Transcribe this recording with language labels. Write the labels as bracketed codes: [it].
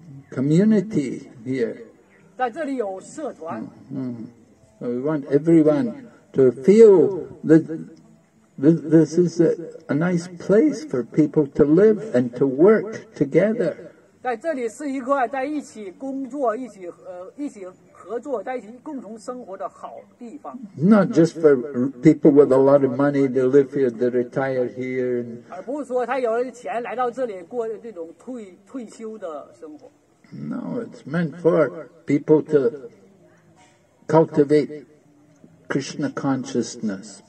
[en] Community here. We want everyone to feel that this is a nice place for people to live and to work together. [zh] 在这里是一块在一起工作，一起合 [en] Not just for people with a lot of money, they live here, they retire here. No, it's meant for people to cultivate Krishna consciousness.